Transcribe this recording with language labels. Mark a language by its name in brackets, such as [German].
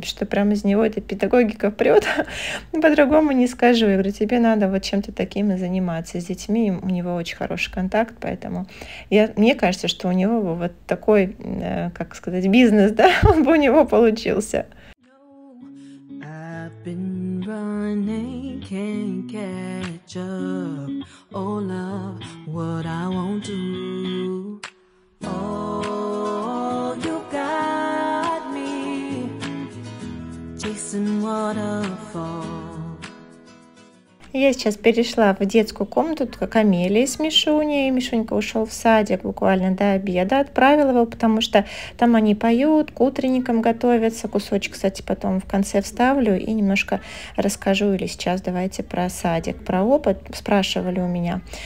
[Russian] Потому что прям из него эта педагогика прет. По-другому не скажу. Я говорю, тебе надо вот чем-то таким и заниматься с детьми. У него очень хороший контакт, поэтому мне кажется, что у него вот такой, как сказать, бизнес, да, он бы у него получился. [English] I've been running, can't catch up. Oh, love, what I won't do. Oh, you got me chasing waterfall. [Russian] Я сейчас перешла в детскую комнату, тут как Амелия с Мишуней. Мишунька ушел в садик буквально до обеда. Отправила его, потому что там они поют, к утренникам готовятся. Кусочек, кстати, потом в конце вставлю и немножко расскажу. Или сейчас давайте про садик, про опыт. Спрашивали у меня.